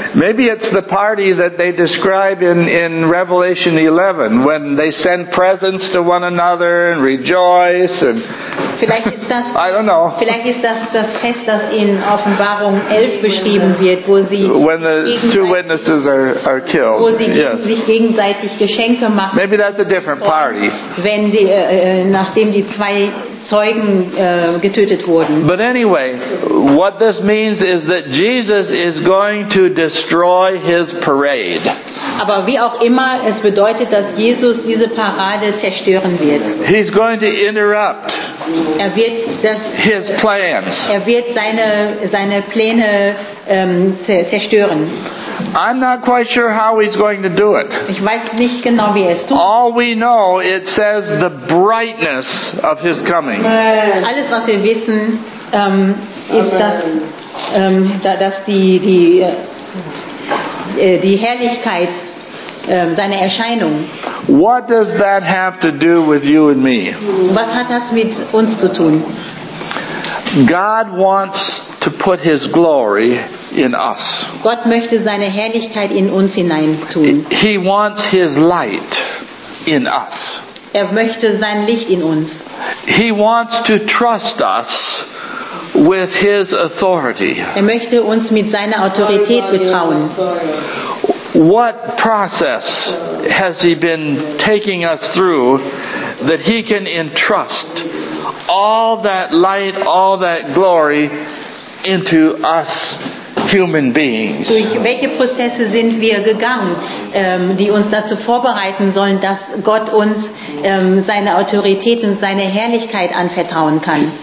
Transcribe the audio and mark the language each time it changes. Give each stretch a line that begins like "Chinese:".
English: Maybe it's the party that they describe in Revelation 11 when they send presents to one another and rejoice and
German: vielleicht ist das
English: I don't know.
German: Vielleicht ist das Fest, das in Offenbarung 11 beschrieben wird, wo sie
English: when the two witnesses are killed.
German: Wo sie sich gegenseitig Geschenke machen.
English: Maybe that's a different party.
German: Wenn die nachdem die zwei Zeugen getötet wurden.
English: But anyway, what this means is that Jesus is going to destroy his parade.
German: Aber wie auch immer, es bedeutet, dass Jesus diese Parade zerstören wird.
English: He's going to interrupt.
German: Er wird das
English: his plans.
German: Er wird seine Pläne zerstören.
English: I'm not quite sure how he's going to do it.
German: Ich weiß nicht genau, wie er es tut.
English: All we know, it says the brightness of his coming.
German: Alles, was wir wissen, ist, dass die Herrlichkeit seiner Erscheinung.
English: What does that have to do with you and me?
German: Was hat das mit uns zu tun?
English: God wants to put his glory in us.
German: Gott möchte seine Herrlichkeit in uns hinein tun.
English: He wants his light in us.
German: Er möchte sein Licht in uns.
English: He wants to trust us with his authority.
German: Er möchte uns mit seiner Autorität betrauen.
English: What process has he been taking us through that he can entrust all that light, all that glory into us human beings?
German: Durch welche Prozesse sind wir gegangen, die uns dazu vorbereiten sollen, dass Gott uns seine Autorität und seine Herrlichkeit anvertrauen kann?